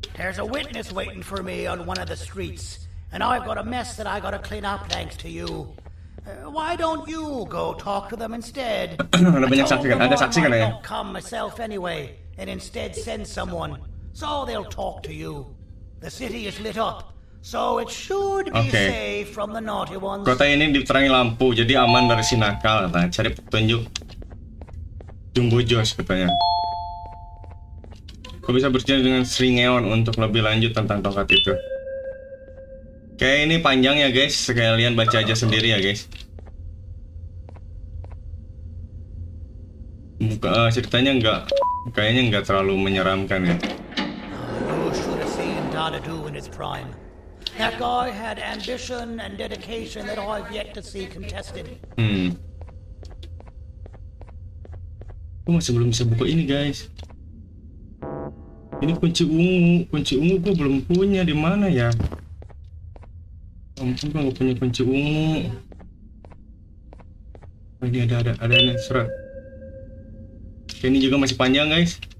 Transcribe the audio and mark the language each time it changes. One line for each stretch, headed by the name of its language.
English: There's a witness waiting for me on one of the streets, and I've got a mess that I gotta clean up thanks to you. Why don't you go talk to them instead?
Indonesian: Ada banyak saksi kan? Ada saksi kan ya?
English: I don't come myself anyway, and instead send someone, so they'll talk to you. The city is lit up, so it should be okay. Safe from the naughty ones.
Indonesian: Kota ini diterangi lampu, jadi aman dari si nakal. Nah, cari petunjuk. Jumbo Josh katanya. Kau bisa berjalan dengan Sri Ngeon untuk lebih lanjut tentang tongkat itu. Oke, ini panjang ya guys, sekalian baca aja sendiri ya guys. Buka, ceritanya nggak, kayaknya nggak terlalu menyeramkan ya.
English: You should have seen Dadadu in his prime. That guy had ambition and dedication that I've yet to see contested.
Indonesian: Kok masih belum bisa buka ini guys? Ini kunci ungu gue belum punya, di mana ya? Ampun, gue nggak punya kunci ungu. Oh, ini ada surat. Oke, ini juga masih panjang guys.